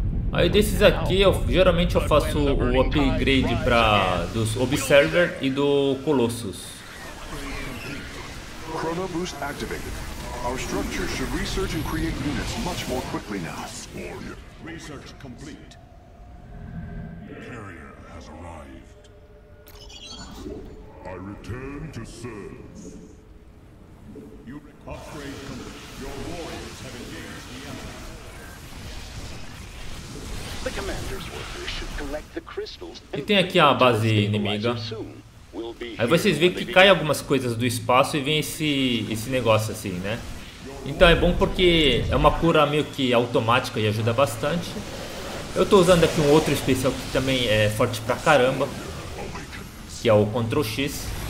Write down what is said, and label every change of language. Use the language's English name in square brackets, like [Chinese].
[Portuguese] Aí desses aqui, geralmente eu faço o upgrade para dos Observer e do Colossus. [English] Chrono boost activated. Our structure should research and create units much more quickly now. Research complete. Carrier has arrived. I return to serve. You upgrade complete. Your warriors have engaged the enemy. The commander's workers should collect the crystals. [Portuguese] E tem aqui a base inimiga. Aí vocês veem que cai algumas coisas do espaço e vem esse negócio assim, né? Então é bom porque é uma cura meio que automática e ajuda bastante. Eu tô usando aqui um outro especial que também é forte pra caramba, que é o Ctrl X.